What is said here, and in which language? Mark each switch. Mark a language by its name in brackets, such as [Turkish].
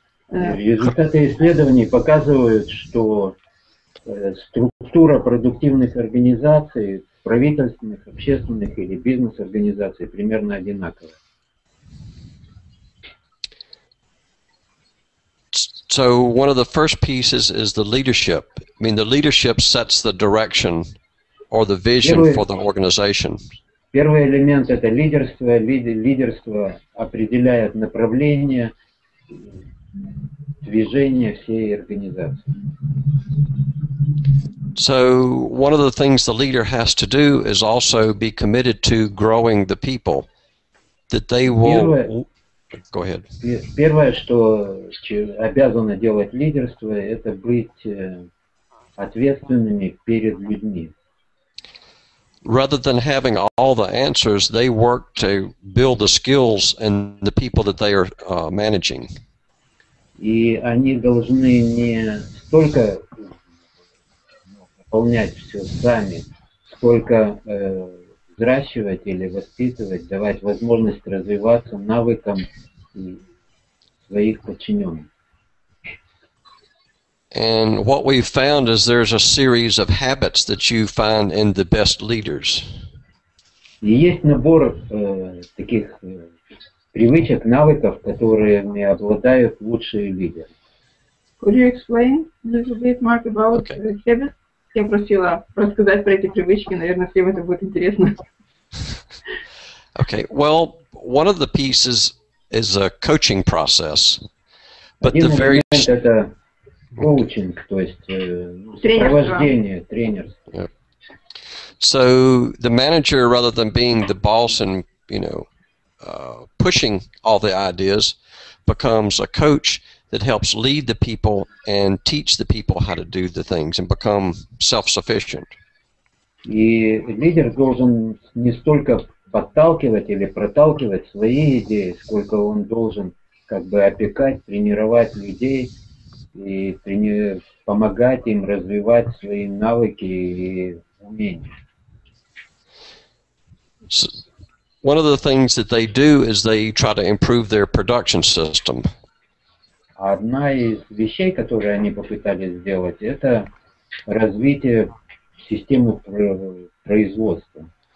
[Russian] Результаты исследований показывают, что структура продуктивных организаций, правительственных, общественных или бизнес-организаций примерно одинакова. [English] So one of the first pieces is the leadership. I mean, the leadership sets the direction or the vision for the organization. [Russian] Первый элемент – это лидерство. Лидерство определяет направление движения всей организации. [English] So one of the things the leader has to do is also be committed to growing the people, that they will… Go ahead. [Russian] Первое, что обязано делать лидерство, это быть ответственными перед людьми. [English] Rather than having all the answers, they work to build the skills and the people that they are managing. [Russian] И они должны не столько выполнять все сами, сколько взращивать или воспитывать, давать возможность развиваться навыкам своих подчиненных. [English] And what we've found is there's a series of habits that you find in the best leaders. [Russian] И есть набор таких привычек, навыков, которыми обладают лучшие лидеры. [English] Could you explain a little bit, Mark, about the habits? [Russian] Я просила рассказать про эти привычки, наверное, всем это будет интересно. [English] Okay, well, one of the pieces is a coaching process, but the very [Russian] coaching, то есть сопровождение, тренерство. [English] So the manager, rather than being the boss and you know pushing all the ideas, becomes a coach that helps lead the people and teach the people how to do the things and become self-sufficient. [Russian] И лидер должен не столько подталкивать или проталкивать свои идеи, сколько он должен как бы опекать, тренировать людей и помогать им развивать свои навыки и умения. [English] So, one of the things that they do is they try to improve their production system. [Russian] Одна из вещей, которые они попытались сделать, это развитие системы производства.